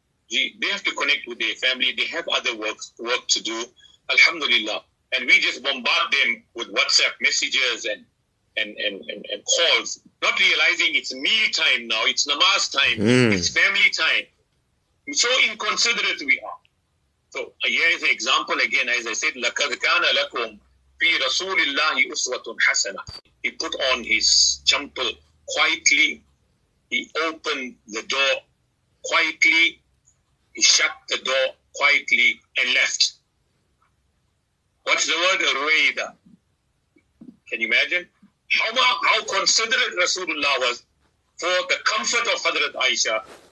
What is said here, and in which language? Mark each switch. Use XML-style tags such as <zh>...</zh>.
<en>They have to connect with their family. They have other work to do. Alhamdulillah. And we just bombard them with WhatsApp messages and calls, not realizing it's meal time now. It's namaz time. Mm. It's family time. So inconsiderate we are. So here is an example again. As I said,</en> <ar>لَكَدْ كَانَ لَكُمْ فِي رَسُولِ اللَّهِ أُسْوَةٌ حَسَنَةٌ.</ar> <en>He put on his chumple quietly. He opened the door quietly. He shut the door quietly and left. What's the word? رويدا. Can you imagine? How considerate Rasulullah was for the comfort of Hadrat Aisha.</en>